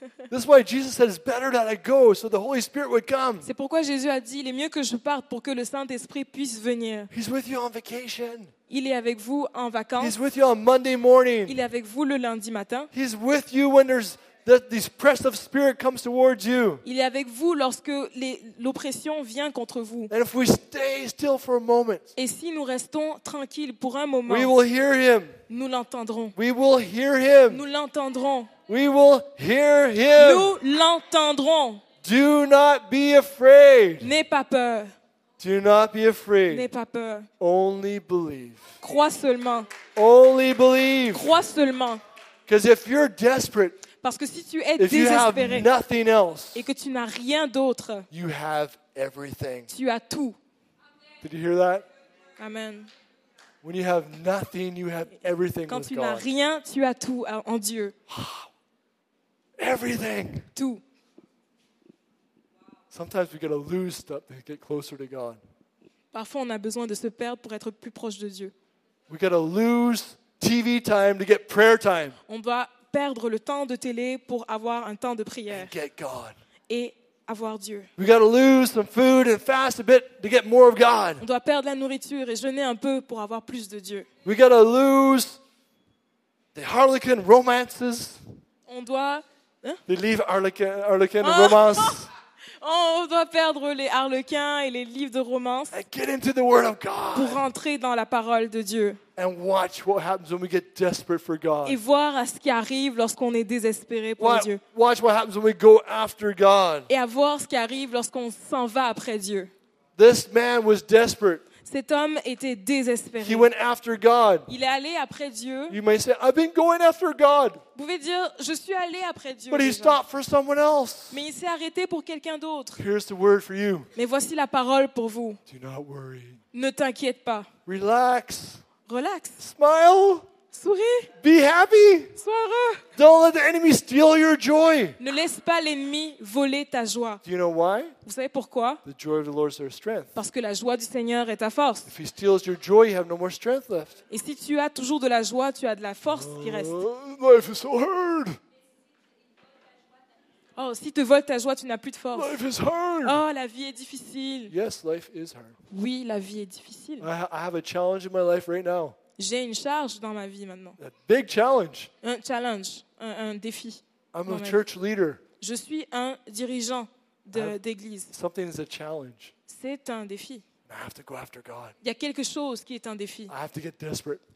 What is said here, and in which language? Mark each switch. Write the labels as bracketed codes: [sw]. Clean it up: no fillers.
[en] This is why Jesus said it's better that I go so the Holy Spirit would come. [fr] C'est pourquoi Jésus a dit il est mieux que je parte pour que le Saint-Esprit puisse venir. [en] He's with you on vacation. [fr] Il est avec vous en vacances. [en] He's with you on Monday morning. [fr] Il est avec vous le lundi matin. [en] He's with you when there's that this press of spirit comes towards you. [fr] Il est avec vous lorsque l'oppression vient contre vous. [en] And if we stay still for a moment. [fr] Et si nous restons tranquilles pour un moment. [en] We will hear him. [fr] Nous l'entendrons. [en] We will hear him. [fr] Nous l'entendrons. [en] We will hear him. [fr] Nous l'entendrons. [en] Do not be afraid. [fr] N'aie pas peur. [en] Do not be afraid. [fr] N'aie pas peur. [en] Only believe. [fr] Crois seulement. [en] Only believe. [fr] Crois seulement. [en] Because if you're desperate. [fr] Parce que si tu es désespéré et que tu n'as rien d'autre, [en] you have everything. [fr] Tu as tout. [en] Did you hear that? Amen. When you have nothing, you have everything. [fr] Quand [en] with [fr] tu [en] God. [fr] N'as rien, tu as tout en Dieu. [en] Everything. [fr] Tout. [en] Sometimes we gotta lose stuff to get closer to God. [fr] Parfois, on a besoin de se perdre pour être plus proche de Dieu. [en] We gotta lose TV time to get prayer time. [fr] On doit perdre le temps de télé pour avoir un temps de prière [en] and get God. [fr] Et avoir Dieu. [en] We got to lose some food and fast a bit to get more of God. [fr] On doit perdre la nourriture et jeûner un peu pour avoir plus de Dieu. [en] We got to lose the Harlequin romances. [fr] On doit les livres Harlequin de romance. On doit perdre les Harlequins et les livres de romance. [en] And get into the Word of God. [fr] Pour rentrer dans la parole de Dieu. [en] And watch what happens when we get desperate for God. [fr] Et voir à ce qui arrive lorsqu'on est désespéré pour Dieu. [en] Watch what happens when we go after God. [fr] Et à voir ce qui arrive lorsqu'on s'en va après Dieu. [en] This man was desperate. [fr] Cet homme était désespéré. [en] He went after God. [fr] Il est allé après Dieu. [en] You may say, I've been going after God. [fr] Vous pouvez dire, je suis allé après Dieu. [en] But he stopped for someone else. [fr] Mais il s'est arrêté pour quelqu'un d'autre. [en] Here's the word for you. [fr] Mais voici la parole pour vous. [en] Do not worry. [fr] Ne t'inquiète pas. [en] Relax. [fr] Relax. [en] Smile. [fr] Souris. [en] Be happy. [fr] Sois heureux. [en] Don't let the enemy steal your joy. [fr] Ne laisse pas l'ennemi voler ta joie. [en] Do you know why? [fr] Vous savez pourquoi? [en] The joy of the Lord is our strength. [fr] Parce que la joie du Seigneur est ta force. [en] If he steals your joy, you have no more strength left. [fr] Et si tu as toujours de la joie, tu as de la force qui reste. [en] Life is so hard. [fr] Oh, si te vole ta joie, tu n'as plus de force. [en] Life is hard. [fr] Oh, la vie est difficile. [en] Yes, life is hard. [fr] Oui, la vie est difficile. [en] I have a challenge in my life right now. [fr] J'ai une charge dans ma vie maintenant. [en] A big challenge. [fr] Un challenge, un défi. [en] I'm a church leader. [fr] Je suis un dirigeant d'église. [en] Something is a challenge. [fr] C'est un défi. [en] I have to go after God. [fr] Il y a quelque chose qui est un défi. [en] I have to get desperate.